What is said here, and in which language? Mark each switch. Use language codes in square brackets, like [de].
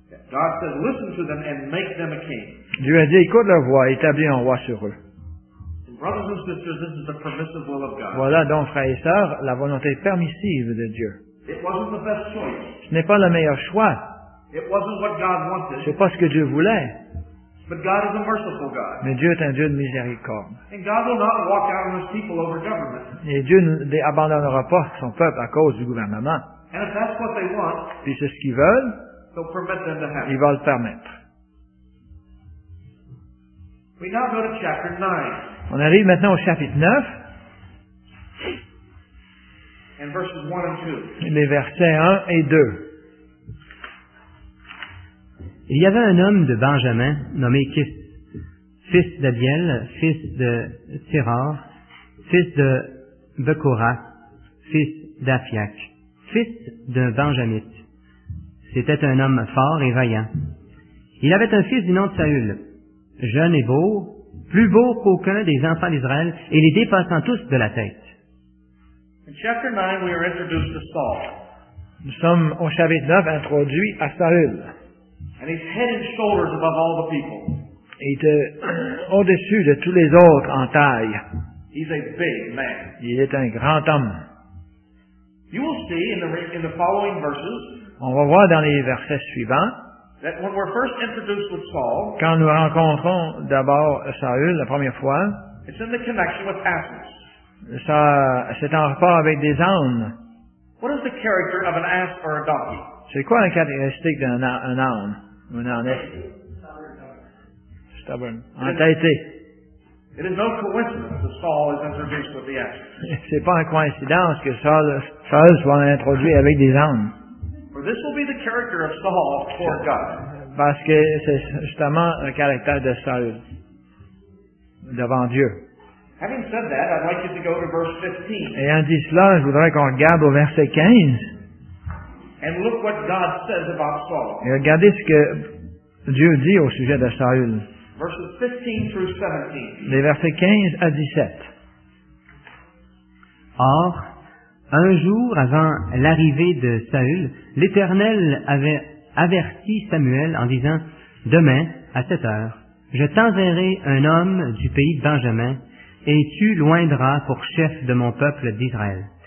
[en] God says, listen to them and make them a king. [fr] Dieu a dit, écoute leur voix, établis un roi sur eux. [en] Brothers and sisters, this is the permissive will of God. [fr] Voilà donc, frères et sœurs, la volonté permissive de Dieu. [en] It wasn't the best choice. [fr] Ce n'est pas le meilleur choix. [en] It wasn't what God wanted. [fr] Ce n'est pas ce que Dieu voulait. [en] But God is a merciful God. [fr] Mais Dieu est un Dieu de miséricorde. [en] And God will not walk out on his people over government. [fr] Et Dieu n'abandonnera pas son peuple à cause du gouvernement. [en] And if that's what they want, [fr] puis c'est ce qu'ils veulent, [en] he'll permit them to have [fr] it. Il va le permettre. [en] We now go to chapter 9. [fr] On arrive maintenant au chapitre 9. [en] And verses 1 and 2. [fr] Les versets 1 et 2. Il y avait un homme de Benjamin, nommé Kis, fils d'Abiel, fils de Tirar, fils de Bekora, fils d'Afiak, fils d'un Benjamite. C'était un homme fort et vaillant. Il avait un fils du nom de Saül, jeune et beau, plus beau qu'aucun des enfants d'Israël, et les dépassant tous de la tête. [en] In chapter 9, we are introduced to Saul. [fr] Nous sommes au chapitre 9 introduits à Saül. [en] And he's head and shoulders above all the people. [fr] Il est au-dessus de tous les autres en taille. [en] He's a big man. [fr] Il est un grand homme. [en] You will see in the following verses. [fr] On va voir dans les versets suivants. [en] That when we're first introduced with Saul. [fr] Quand nous rencontrons d'abord Saül la première fois. [en] It's in the connection with asses. [fr] Ça, c'est en rapport avec des ânes. [en] What is the character of an ass or a donkey? [fr] C'est quoi la caractéristique d'un âne ou un ânesse? [en] Stubborn. [fr] Entêté. [en] It is no coincidence that Saul is introduced with the ass. [fr] C'est pas une coïncidence que Saul soit introduit avec des ânes. [en] For this will be the character of Saul toward God. [fr] Parce que c'est justement le caractère de Saul devant Dieu. [en] Having said that, I'd like you to go to verse 15. [fr] Et en disant cela, je voudrais qu'on regarde au verset 15. [en] And look what God says about Saul. [fr] Et regardez ce que Dieu dit au sujet de Saül. [en] Verses 15 through 17. [fr] Les versets 15 à 17. Or, un jour avant l'arrivée de Saül, l'Éternel avait averti Samuel en disant, « Demain, à cette heure, je t'enverrai un homme du pays de Benjamin, et tu loindras pour chef de mon peuple d'Israël.